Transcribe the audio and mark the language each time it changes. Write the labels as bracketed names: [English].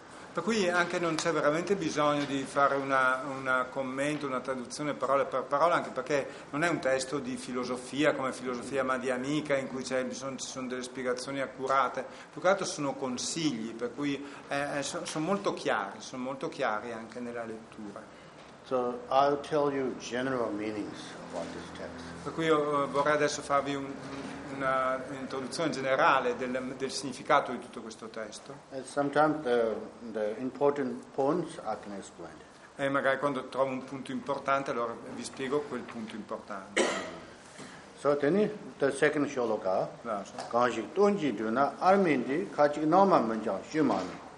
[Italian] Per cui anche non c'è veramente bisogno di fare una commento, una traduzione parola per parola, anche perché non è un testo di filosofia come filosofia madhyamika in cui ci sono delle spiegazioni accurate, più che altro sono consigli, per cui sono molto chiari anche nella lettura. [English] So I'll tell you general meanings about this text. [Italian] Per cui io vorrei adesso farvi una introduzione generale del significato di tutto questo testo. [English] And sometimes the important points I can explain. [Italian] E magari quando trovo un punto importante allora vi spiego quel punto importante. [English] So then the second shloka. Kanji tonji duna armindi kachi noma menjang shumani.